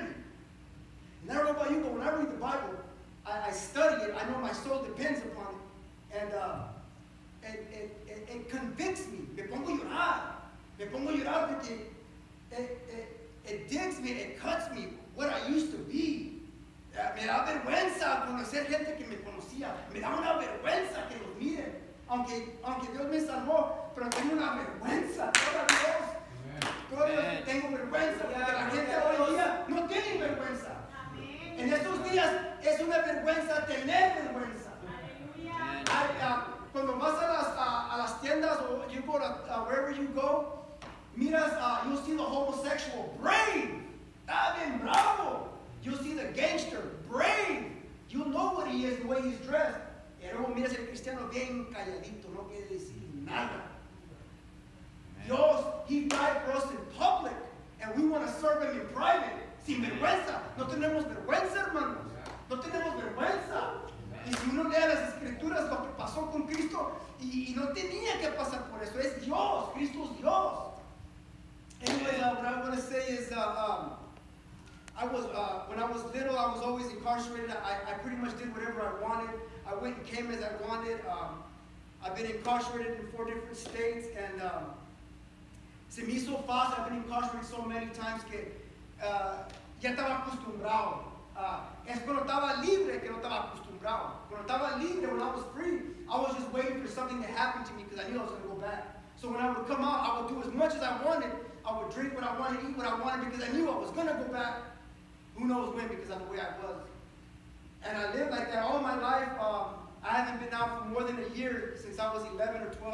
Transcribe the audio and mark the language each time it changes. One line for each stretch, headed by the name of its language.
English: And I don't know about you, but when I read the Bible, I study it. I know my soul depends upon it. And it convicts me.
Spanish: Me pongo llorar. Me pongo llorar porque
English: it digs me. It cuts me what I used to be.
Spanish: Me da vergüenza conocer gente que me conocía. Me da una vergüenza que los miren. Aunque Dios me salvó, pero tengo una vergüenza. Gloria a Dios. Gloria a Dios. Tengo vergüenza porque la gente hoy día no tiene vergüenza. Amén. En estos días es una vergüenza tener vergüenza. Aleluya. Cuando vas a las tiendas o
English: you go to wherever you go,
Spanish: miras,
English: you'll see the homosexual brave.
Spanish: Está bien bravo.
English: You'll see the gangster, brave. You know what he is, the way he's dressed.
Spanish: Pero miras el cristiano bien calladito, no quiere decir nada.
English: Dios, he died for us in public, and we want to serve him in private.
Spanish: Sin vergüenza. No tenemos vergüenza, hermanos. No tenemos vergüenza. Y si uno lee las escrituras, lo que pasó con Cristo, y no tenía que pasar por eso. Es Dios. Cristo es Dios.
English: Anyway, what I want to say is, when I was little, I was always incarcerated. I pretty much did whatever I wanted. I went and came as I wanted. I've been incarcerated in 4 different states, and
Spanish: se me hizo fácil.
English: I've been incarcerated so many times
Spanish: que ya estaba acostumbrado. Es cuando estaba libre que no estaba acostumbrado. Cuando estaba libre,
English: when I was free, I was just waiting for something to happen to me because I knew I was going to go back. So when I would come out, I would do as much as I wanted. I would drink what I wanted, eat what I wanted because I knew I was going to go back. Who knows when, because of the way I was. And I lived like that all my life. I haven't been out for more than a year since I was 11 or 12.